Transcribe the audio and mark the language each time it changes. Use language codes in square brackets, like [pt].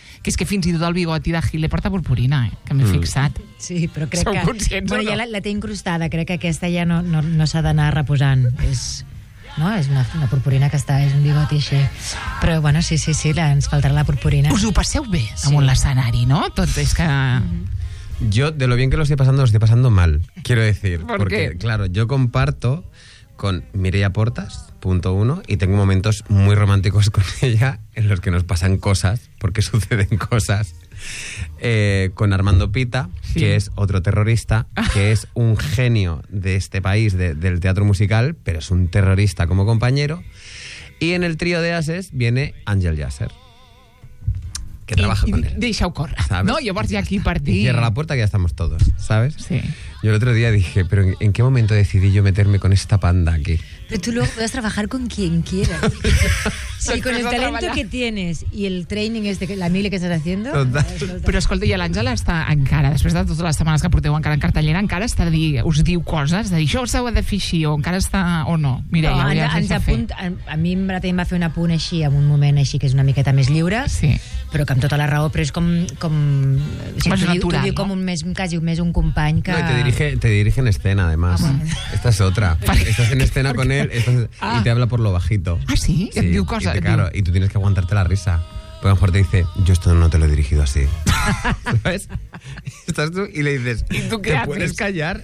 [ca] Que és que fins i tot el bigoti de Hitler porta purpurina, que m'he fixat. Sí, però crec Sou que... Sou conscients, bueno, no? Ja la té incrustada, crec que aquesta ja no s'ha d'anar reposant. És, no? És una purpurina que està, és un bigoti així. Però, bueno, sí, ens faltarà la purpurina. Us ho passeu bé, sí, amb un escenari, no? Tot és que... [es] Jo, de lo bien que lo estoy pasando mal, quiero decir. ¿Por porque, qué? Claro, yo comparto con Mireia Portas, punto uno, y tengo momentos muy románticos con ella en los que nos pasan cosas, porque suceden cosas, con Armando Pita, sí, que es otro terrorista, que es un genio de este país, del teatro musical, pero es un terrorista como compañero, y en el trío de ases viene Àngel Yasser, que trabaja con él. [ca] Deixa-ho córrer, ¿sabes? No, llavors ja aquí partí. [es] Cierra la puerta que ya estamos todos, ¿sabes? Sí. Yo el otro día dije, pero ¿en qué momento decidí yo meterme con esta panda aquí? Pero tú luego puedes trabajar con quien quieras. Sí, con el talento que tienes y el training este, la mili que estás haciendo. [ca] Pero escolta, y el Àngel està encara, després de totes les setmanes que porteu encara en cartellera, encara està a dir, us diu coses, de dir, això us heu de fer així, o encara està, o no. Mira, no, a mi em va fer un apunt així, en un moment així, que és una miqueta més lliure. Sí. però que amb tota la raó, però és com si és natural, no? Com un més, quasi més un company que... [es] No, te dirige en escena, además. Home. Esta es otra. Estás en escena con él, y te habla por lo bajito. Ah, ¿sí? Sí, y, cosa, y, claro, y tú tienes que aguantarte la risa. Porque a lo mejor te dice, yo esto no te lo he dirigido así. ¿Sabes? Estás tú y le dices, ¿y tú qué ¿te haces? Puedes callar?